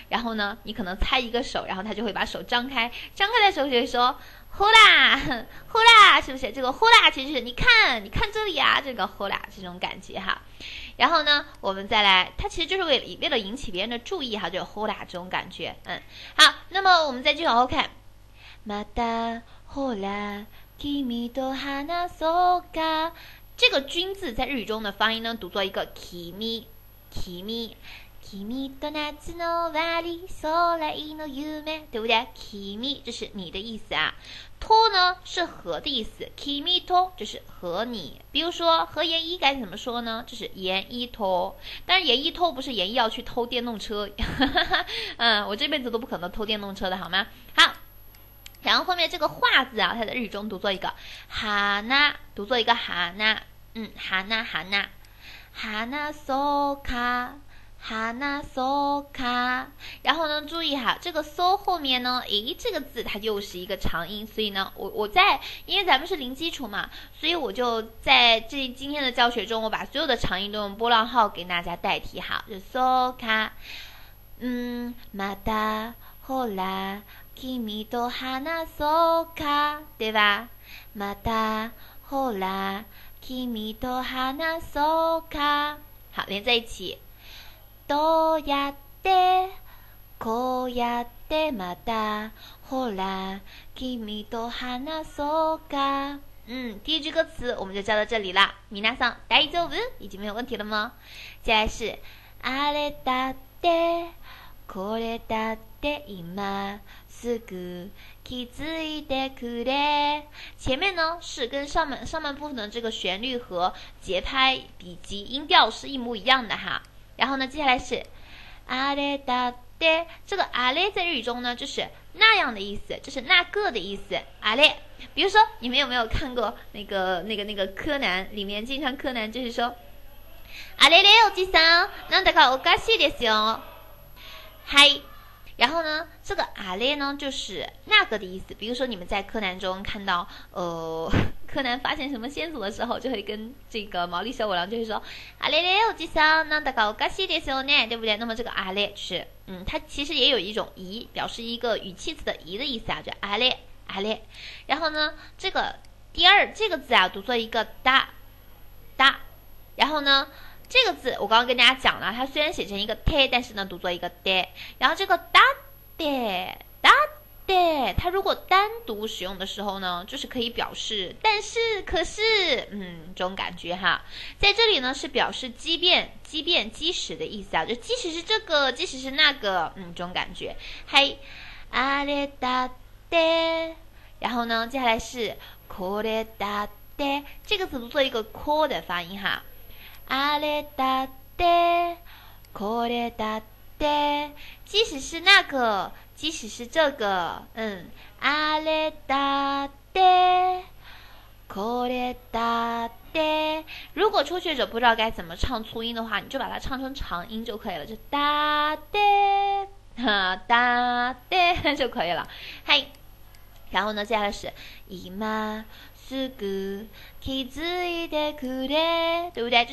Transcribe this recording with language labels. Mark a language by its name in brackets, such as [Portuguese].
[Chinese] 然后呢你可能猜一个手，然后他就会把手张开的时候就会说呼啦呼啦，是不是？这个呼啦其实是你看这里啊，这个呼啦这种感觉哈。然后呢我们再来，它其实就是为了引起别人的注意哈，就呼啦这种感觉。好，那么我们再继续往后看。 [Japanese] またほら君と話そうか， [Chinese] 这个君字在日语中的发音呢读作一个君君 [Japanese] 君と夏の終わり将来の夢， [Chinese] 对不对？君就是你的意思啊。と呢是和的意思， [Japanese] 君と [Chinese] 就是和你。比如说和研一该怎么说呢，就是 [Japanese] 研一と。 [Chinese] 但是 [Japanese] 研一と [Chinese] 不是研一要去偷电动车我这辈子都不可能偷电动车的好吗？好，然后后面这个话字啊，它在日语中读作一个哈那，读作一个哈那，哈那哈那 [Japanese] 哈那そうか哈那そうか。 [Chinese] 然后呢注意哈，这个そう后面呢这个字它又是一个长音，所以呢我在因为咱们是零基础嘛，所以我就在这今天的教学中我把所有的长音都用波浪号给大家代替哈，就 [Japanese] そうか。またほら君と話そうか， [Chinese] 对吧？ [Japanese] またほら君と話そうか。 [Chinese] 好，连在一起。 [Japanese] どうやってこうやってまたほら君と話そうか。 [Chinese] 第一句歌词我们就教到这里了， [Japanese] 皆さん大丈夫？ [Chinese] 已经没有问题了吗？接下来是 [Japanese] あれだってこれだって今すぐ気づいてくれ。 [Chinese] 前面呢是跟上半部分的这个旋律和节拍以及音调是一模一样的哈。然后呢接下来是 [Japanese] あれだって， [Chinese] 这个 [Japanese] あれ [Chinese] 在日语中呢就是那样的意思，就是那个的意思。あれ比如说，你们有没有看过那个柯南？里面经常柯南就是说， [Japanese] あれれおじさん、なんだかおかしいですよ。 [Chinese] 嗨，然后呢，这个あれ呢就是那个的意思。比如说，你们在柯南中看到柯南发现什么线索的时候，就会跟这个毛利小五郎就会说， [Japanese] あれれおじさん、なんだかおかしいですよね， [Chinese] 对不对？那么这个 [Japanese] あれ [Chinese] 是，它其实也有一种疑，表示一个语气词的疑的意思啊，就あれ。阿列，然后呢，这个第二这个字啊，读作一个哒哒，然后呢，这个字我刚刚跟大家讲了，它虽然写成一个贴，但是呢，读作一个爹，然后这个哒爹哒爹，它如果单独使用的时候呢，就是可以表示但是可是，这种感觉哈，在这里呢是表示即便即使的意思啊，就即使是这个，即使是那个，这种感觉，嗨，阿列哒。で，然后呢，接下来是 [Japanese] これだって， [Chinese] 这个词读作一个こ的发音哈。 [Japanese] あれだって，これだって， [Chinese] 即使是那个，即使是这个， [Japanese] あれだって，これだって。 [Chinese] 如果初学者不知道该怎么唱粗音的话，你就把它唱成长音就可以了，就 [Japanese] だって， [Chinese] 哈，だって就可以了。嗨。然后呢，接下来是 [Japanese] 今すぐ気づいてくれ， [Chinese] 对不对？